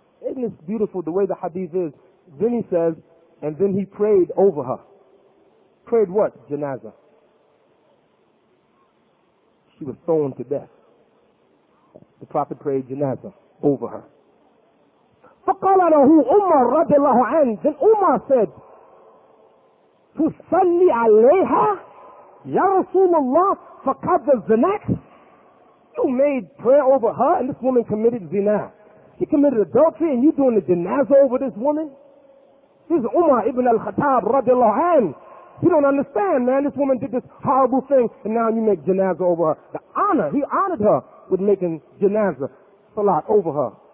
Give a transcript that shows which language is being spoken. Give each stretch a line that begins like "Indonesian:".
English: Isn't this beautiful the way the hadith is? Then he says, and then he prayed over her. Prayed what? Janazah. She was stoned to death. The Prophet prayed janazah over her.
Arabic: فَقَالَ لَهُ عُمَّر رَضِ اللَّهُ عَنْهُ.
English: Then Umar said,
Arabic: تُصَلِّ عَلَيْهَا يَا رَسُولَ اللَّهِ فَقَدَ الزَّنَكْسِ.
English: You made prayer over her, and this woman committed zina. She committed adultery, and you doing the janazah over this woman? This is Umar ibn al-Khattab, radiallahu anhu. You don't understand, man. This woman did this horrible thing, and now you make janazah over her. The honor, he honored her with making janazah, salat over her.